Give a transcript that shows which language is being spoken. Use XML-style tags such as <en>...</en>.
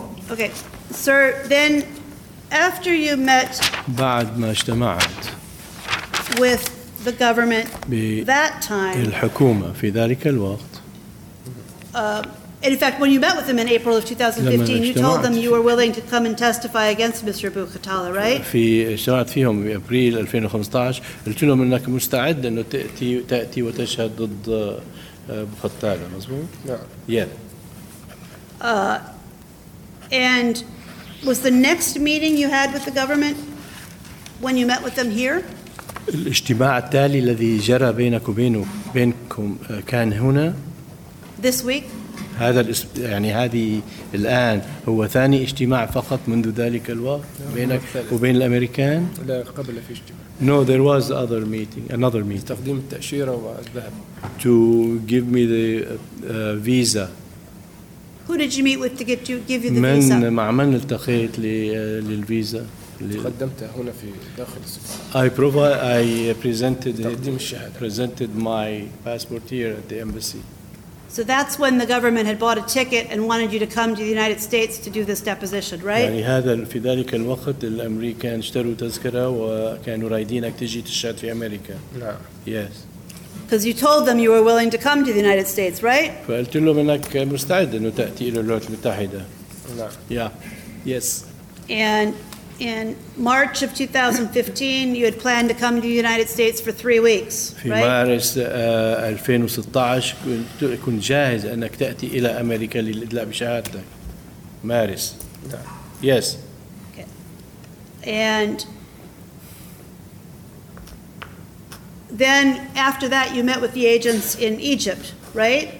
<en>Okay, sir, then after you met with the government that time,</en> <ar>الحكومة في ذلك الوقت,</ar> <en>in fact, when you met with them in April of 2015, you told them you were willing to come and testify against Mr. Boukatala, right?</en> <ar>في اجتمعت فيهم في أبريل 2015 قلت لهم أنك مستعد أنه تأتي وتشهد ضد بوكاتالا, مظبوط؟</ar> <en>Yeah. And was the next meeting you had with the government when you met with them here?</en> <ar>الاجتماع التالي الذي جرى بينك وبينكم كان هنا.</ar> <en>This week.</en> <ar>هذا يعني هذه الآن هو ثاني اجتماع فقط منذ ذلك الوقت بينك وبين الأمريكان؟ لا قبل في اجتماع.</ar> <en>No, there was other meeting, another meeting.</en> <ar>تقديم التأشيرة والذهاب.</ar> <en>To give me the visa. Who did you meet with to get you give you the visa?</en> <ar>مع من التقيت للفيزا؟ تقدمت هنا في داخل السفارة.</ar> <en>I presented</en> <ar>تقديم الشهادة.</ar> <en>Presented my passport here at the embassy. So that's when the government had bought a ticket and wanted you to come to the United States to do this deposition, right?</en> <ar>يعني هذا في ذلك الوقت الأمريكان اشتروا تذكرة وكانوا رايدينك تجي تشهد في أمريكا. نعم.</ar> <en>Yes. Because you told them you were willing to come to the United States, right?</en> <ar>فقلت لهم إنك مستعد إنه تأتي إلى الولايات المتحدة. نعم.</ar> <en>Yeah. Yes. And in March of 2015, you had planned to come to the United States for 3 weeks,</en> <ar>في مارس 2016 كنت جاهز أنك تأتي إلى أمريكا للإدلاء بشهادتك. مارس.</ar> <en>Yes. Okay. And then after that, you met with the agents in Egypt, right?</en>